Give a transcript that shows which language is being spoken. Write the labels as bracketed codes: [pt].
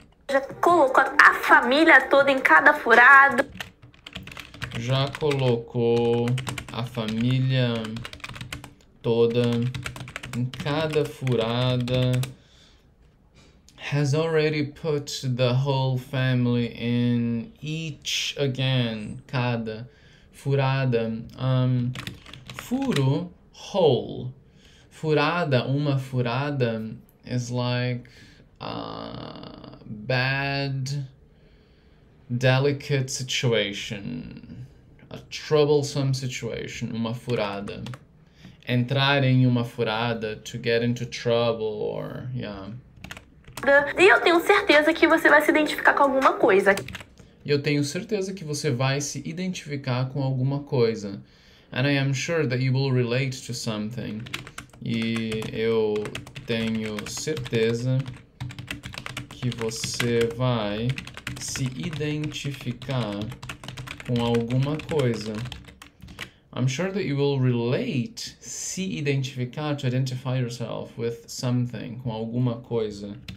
[pt] Já colocou a família toda em cada furado. Já colocou a família toda em cada furada. [en] Has already put the whole family in each again. [pt] Cada furada. Furo, hole. [en] Furada, [pt] uma furada [en] is like a bad, delicate situation, a troublesome situation, uma furada. [pt] entrar em uma furada, [en] to get into trouble, or, yeah. [pt] E eu tenho certeza que você vai se identificar com alguma coisa. E eu tenho certeza que você vai se identificar com alguma coisa. [en] And I am sure that you will relate to something. [pt] E eu tenho certeza que você vai se identificar com alguma coisa. [en] I'm sure that you will relate, [pt] se identificar, [en] to identify yourself with something, [pt] com alguma coisa.